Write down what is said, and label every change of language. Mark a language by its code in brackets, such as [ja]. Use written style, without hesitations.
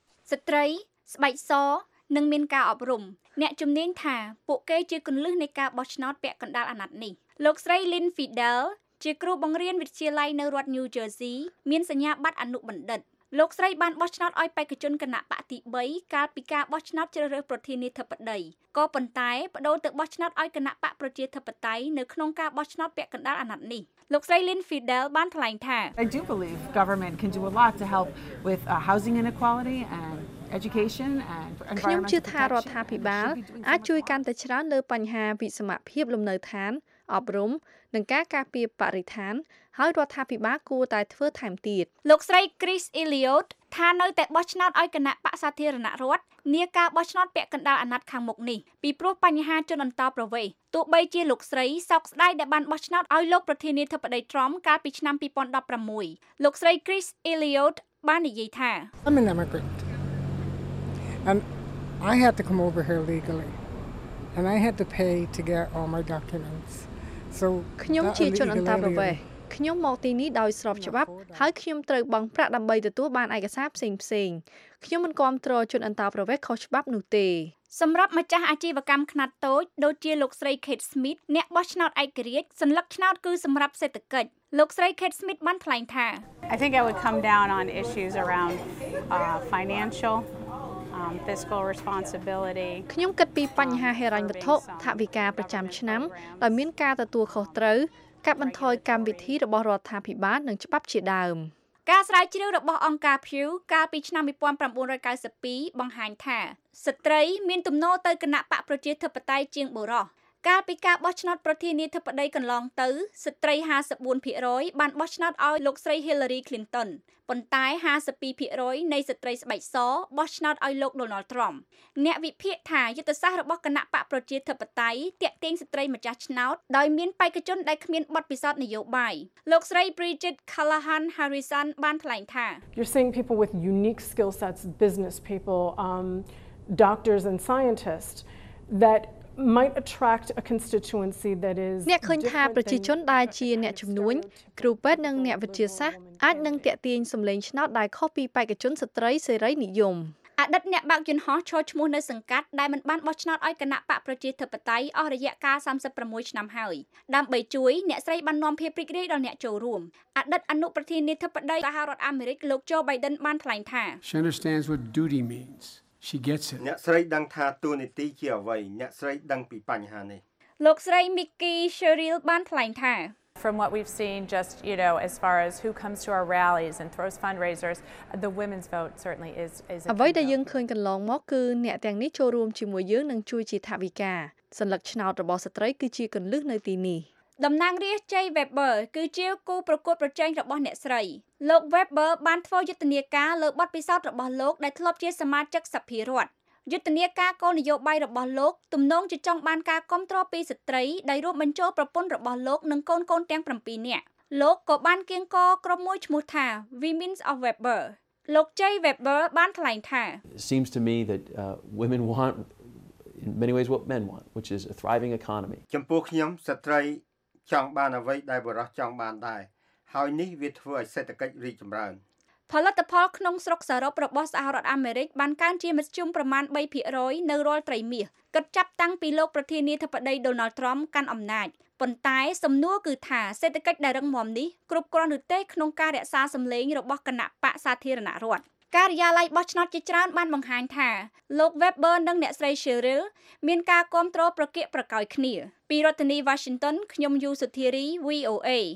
[km] ស្ត្រីស្បែកសនឹងមានការអប់រំអ្នកជំនាញថាពួកគេជាគន្លឹះនៃការបោះឆ្នោតពាក់កណ្ដាលអាណត្តិនេះលោកស្រី Lynn Fidel ជាគ្រូបង្រៀនវិទ្យាល័យនៅរដ្ឋ New Jersey មានសញ្ញាបត្រអនុបណ្ឌិតលោកស្រីបានបោះឆ្នោតឲ្យបេក្ខជនគណៈបកទី3កាលពីការបោះឆ្នោតជ្រើសរើសប្រធានាធិបតីក៏ប៉ុន្តែបដូរទៅបោះឆ្នោតឲ្យគណៈបកប្រជាធិបតេយ្យនៅក្នុងការបោះឆ្នោតពាក់កណ្ដាលអាណត្តិនេះលោកស្រី Lynn Fidel បានថ្លែងថា [en] I do believe government can do a lot to help with housing inequality andeducation and [km] ខ្ញុំជឿថារដ្ឋាភិបាលអាចជួយកាន់តែច្រើនលើបញ្ហាវិសមភាពលំនៅឋានអប់រំនិងការការពារបរិស្ថានហើយរដ្ឋាភិបាលគួរតែធ្វើថែមទៀត លោកស្រី Chris Elliot ថានៅតែបោះឆ្នោតឲ្យគណៈបកសាធារណរដ្ឋនីការបោះឆ្នោតពាក់កណ្ដាលអាណត្តិខាងមុខនេះពីព្រោះបញ្ហាជនអន្តោប្រវេសន៍ទោះបីជាលោកស្រីសោកស្ដាយដែលបានបោះឆ្នោតឲ្យលោកប្រធានាធិបតី Trump កាលពីឆ្នាំ2016លោកស្រី Chris Elliot បាននិយាយថា [en] And I had to come over here legally and I had to pay to get all my documents. So [km] ខ្ញុំជាជនអន្តោប្រវេសន៍ខ្ញុំមកទីនេះដោយស្របច្បាប់ហើយខ្ញុំត្រូវបង់ប្រាក់ដើម្បីទទួលបានឯកសារផ្សេងផ្សេងខ្ញុំមិនគ្រប់គ្រងជនអន្តោប្រវេសន៍ខុសច្បាប់នោះទេ សម្រាប់ម្ចាស់អាជីវកម្មខ្នាតតូចដូចជាលោកស្រី Kate Smith អ្នកបោះឆ្នោតឯករាជ្យសញ្ញាឆ្នោតគឺសម្រាប់សេដ្ឋកិច្ចលោកស្រី Kate Smith បានថ្លែងថា [en] I think I would come down on issues around financialfiscal responsibility [km] ខ្ញុំគិតពីបញ្ហាហិរញ្ញវត្ថុថវិកាប្រចាំឆ្នាំដែលមានការទទួលខុសត្រូវការបន្ថយកម្មវិធីរបស់រដ្ឋាភិបាលនិងច្បាប់ជាដើម ការស្រាវជ្រាវរបស់អង្គការ Pew កាលពីឆ្នាំ1992បង្ហាញថាស្ត្រីមានទំនោរទៅគណៈបកប្រជាធិបតេយ្យជាងបុរសកាលពីការបោះឆ្នោតប្រធានាធិបតីកន្លងទៅស្ត្រី 54% បានបោះឆ្នោតឲ្យលោកស្រី Hillary Clinton ប៉ុន្តែ 52% នៃស្ត្រីស្បែកសបោះឆ្នោតឲ្យលោក Donald Trump អ្នកវិភាគថាយុទ្ធសាស្ត្ររបស់គណៈបកប្រជាធិបតេយ្យទាក់ទាញស្ត្រីម្ចាស់ឆ្នោតដោយមានបេក្ខជនដែលគ្មានបទពិសោធន៍នយោបាយលោកស្រី Bridget Callahan Harrison បានថ្លែងថា [en] You're seeing people with unique skill sets business people doctors and scientists thatmight attract a constituency that is [km] អ្នកឃើញថាប្រជាជនដែលជាអ្នកជំនួញគ្រូពេទ្យនិងអ្នកវិទ្យាសាស្ត្រអាចនឹងទាក់ទាញសម្លេងឆ្នោតដែលខុសពីបេក្ខជនស្ត្រីសេរីនិយម អតីតអ្នកបើកយន្តហោះឈរឈ្មោះនៅសង្កាត់ដែលមិនបានបោះឆ្នោតឲ្យគណៈបកប្រជាធិបតេយ្យអស់រយៈកាល36ឆ្នាំហើយដើម្បីជួយអ្នកស្រីបាននាំភាពរីករាយដល់អ្នកចូលរួមអតីតអនុប្រធានាធិបតីសហរដ្ឋអាមេរិកលោកโจ Biden បានថ្លែងថា [en] She gets it. [km] អ្នកស្រីដឹងថាទូនីតិជាអ្វីអ្នកស្រីដឹងពីបញ្ហានេះ លោកស្រី Mickey Sherrill បានថ្លែងថា [en] From what we've seen just you know as far as who comes to our rallies and throws fundraisers the women's vote certainly is [km] អ្វីដែលយើងឃើញកន្លងមកគឺអ្នកទាំងនេះចូលរួមជាមួយយើងនិងជួយជាថវិកាសញ្ញាឆ្នោតរបស់ស្ត្រីគឺជាកន្លឹះនៅទីនេះ តំណាងរាស្ត្រ Jay Weber គឺជាគូប្រកួតប្រជែងរបស់អ្នកស្រីលោក Weber បានធ្វើយុទ្ធនាការលើបទពិសោធន៍របស់លោកដែលធ្លាប់ជាសមាជិកសភារដ្ឋយុទ្ធនាការគោលនយោបាយរបស់លោកទំនងជាចង់បានការគាំទ្រពីស្ត្រីដែលរួមបញ្ចូលប្រពន្ធរបស់លោកនិងកូនកូនទាំង7នាក់លោកក៏បានគៀងគរក្រុមមួយឈ្មោះថា Women's of Weber លោក Jay Weber បានថ្លែងថា [en] It seems to me that women want in many ways what men want which is a thriving economy [km] ចំពោះខ្ញុំស្ត្រីចង់បានអ្វីដែលបុរសចង់បានដែរ ហើយនេះវាធ្វើឲ្យសេដ្ឋកិច្ចរីកចម្រើន ផលិតផលក្នុងស្រុកសរុបរបស់សហរដ្ឋអាមេរិកបានកើនជាមធ្យមប្រមាណ 3% នៅរាល់ត្រីមាសគិតចាប់តាំងពីលោកប្រធានាធិបតីដូណាល់ត្រាំកាន់អំណាចប៉ុន្តែសំណួរគឺថាសេដ្ឋកិច្ចដែលរឹងមាំនេះគ្រប់គ្រាន់ឬទេក្នុងការរក្សាសម្លេងរបស់គណៈបកសាធារណរដ្ឋការិយាល័យបោះឆ្នោតជាច្រើនបានបង្ហាញថាលោក Weber និងអ្នកស្រី Cheryl មានការគាំទ្រប្រកាសប្រកាយគ្នាពីរដ្ឋធានី Washington ខ្ញុំយូសុធារី VOA